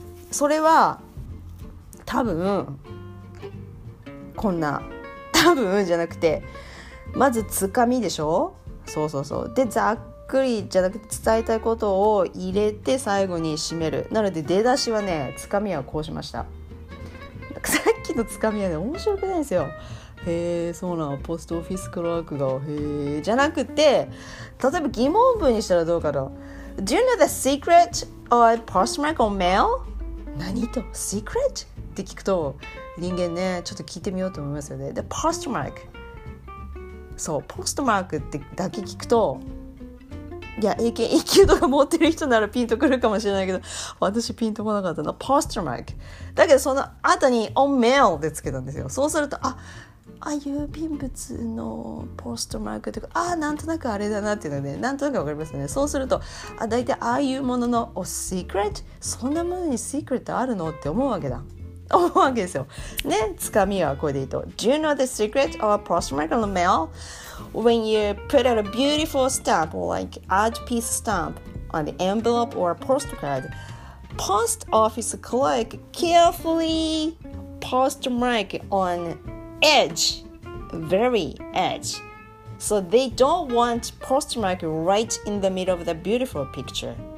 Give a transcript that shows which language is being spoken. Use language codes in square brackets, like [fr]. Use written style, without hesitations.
[ja] それは多分こんな、多分じゃなくて、まずつかみでしょ、そうそうそう、でざっくりじゃなくて伝えたいことを入れて最後に締める。なので出だしはね、つかみはこうしました。さっきのつかみはね面白くないんですよ。へえそうなの、ポストオフィスクラークがへえじゃなくて、例えば疑問文にしたらどうかと。 [en] Do you know the secret of postmark on mail? [ja] 何と secret? って聞くと人間ね、ちょっと聞いてみようと思いますよね。で、ポストマーク。そう、ポストマークってだけ聞くと、いや、英検1級とか持ってる人ならピンとくるかもしれないけど、私ピンとこなかったの。ポストマーク。だけど、その後に、 [en] on mail [ja] でつけたんですよ。そうすると、あ、郵便物のポストマークとか、あ、なんとなくあれだなっていうのね、なんとなくわかりますよね。そうすると、あ、大体、ああいうものの、お、secret? そんなものに secret あるのって思うわけだ。思うわけですよ。ね、つかみはこれでいいと。 [en] Do you know the secret of a postmark on the mail? When you put out a beautiful stamp or like art piece stamp on the envelope or postcard, post office clerk carefully postmark on edge, very edge, so they don't want postmark right in the middle of the beautiful picture.